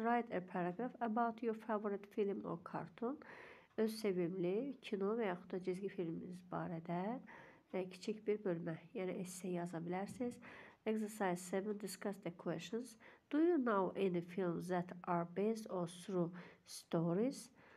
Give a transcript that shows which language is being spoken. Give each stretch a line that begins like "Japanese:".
English: Write a paragraph about your favorite film or cartoon.
Azerbaijani: Öz sevimli kino və yaxud da çizgi filminiz barədə kiçik bir bölmə, yəni esse yaza bilərsiniz.
English: Exercise 7. Discuss the questions. Do you know any films that are based or through stories?